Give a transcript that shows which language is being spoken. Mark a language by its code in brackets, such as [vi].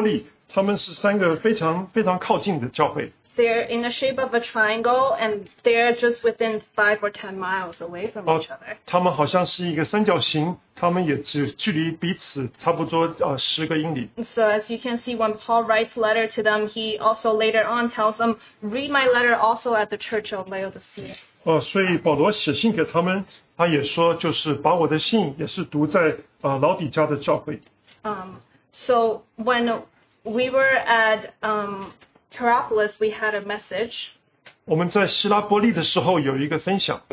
[zh] 我们一直不知道，就是这个老底嘉、哥罗西跟希拉波利，他们是三个非常非常靠近的教会。 [en] They're in the shape of a triangle, and they're just within 5 or 10 miles away from each other. [zh] 他们好像是一个三角形，他们也只距离彼此差不多十个英里。 [en] So as you can see, when Paul writes letter to them, he also later on tells them, read my letter also at the church of Laodicea. [zh] 所以保罗写信给他们，他也说就是把我的信也是读在老底嘉的教会。 [en] So when we were at Hierapolis, we had a message. [zh] 我们在希拉波利的时候有一个分享。